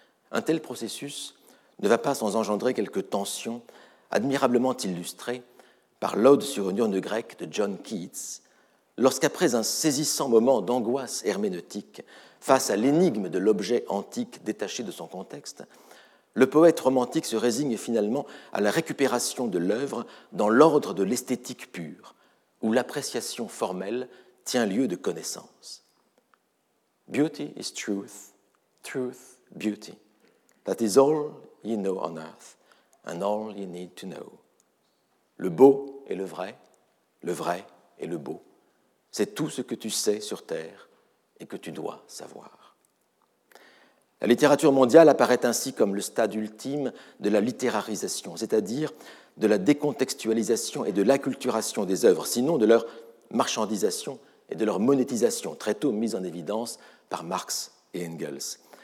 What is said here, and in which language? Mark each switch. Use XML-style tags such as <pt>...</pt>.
<fr>Un tel processus ne va pas sans engendrer quelques tensions admirablement illustrées par l'Ode sur une urne grecque de John Keats, lorsqu'après un saisissant moment d'angoisse herméneutique face à l'énigme de l'objet antique détaché de son contexte, le poète romantique se résigne finalement à la récupération de l'œuvre dans l'ordre de l'esthétique pure, où l'appréciation formelle tient lieu de connaissance.</fr> <en>Beauty is truth, truth beauty. That is all ye know on earth, and all ye need to know.</en> <fr>Le beau est le vrai est le beau. C'est tout ce que tu sais sur terre et que tu dois savoir. La littérature mondiale apparaît ainsi comme le stade ultime de la littérarisation, c'est-à-dire de la décontextualisation et de l'acculturation des œuvres, sinon de leur marchandisation et de leur monétisation, très tôt mise en évidence par Marx et Engels,</fr>